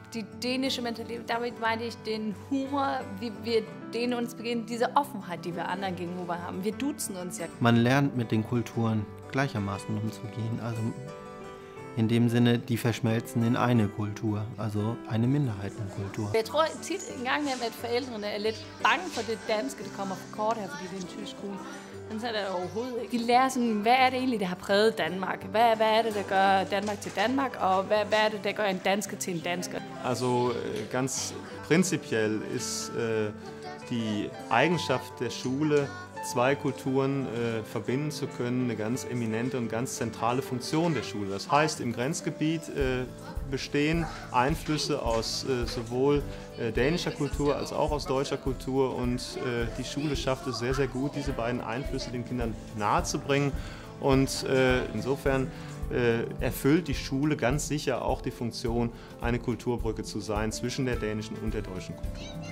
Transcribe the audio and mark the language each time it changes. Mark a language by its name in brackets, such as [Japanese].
[German] Die dänische Mentalität, damit meine ich den Humor, wie wir Dänen uns begegnen, diese Offenheit, die wir anderen gegenüber haben. Wir duzen uns ja. Man lernt, mit den Kulturen gleichermaßen umzugehen. Also In dem Sinne, die verschmelzen in eine Kultur, also eine Minderheitenkultur. [Danish] Ich tror tit engang nem at forældrene er lidt bange for det danske, det kommer for kort her, fordi det er en tysk skole. Men så er det overhovedet ikke. De lærer sådan, hvad er det egentlig, der har præget Danmark? Hvad er det, der gør Danmark til Danmark? Og hvad er det, der gør en dansker til en dansker? [German] Altså, ganz prinzipiell ist die Eigenschaft der Schule, zwei Kulturen verbinden zu können, eine ganz eminente und ganz zentrale Funktion der Schule. Das heißt, im Grenzgebiet bestehen Einflüsse aus sowohl dänischer Kultur als auch aus deutscher Kultur und die Schule schafft es sehr, sehr gut, diese beiden Einflüsse den Kindern nahe zu bringen und insofern erfüllt die Schule ganz sicher auch die Funktion, eine Kulturbrücke zu sein zwischen der dänischen und der deutschen Kultur.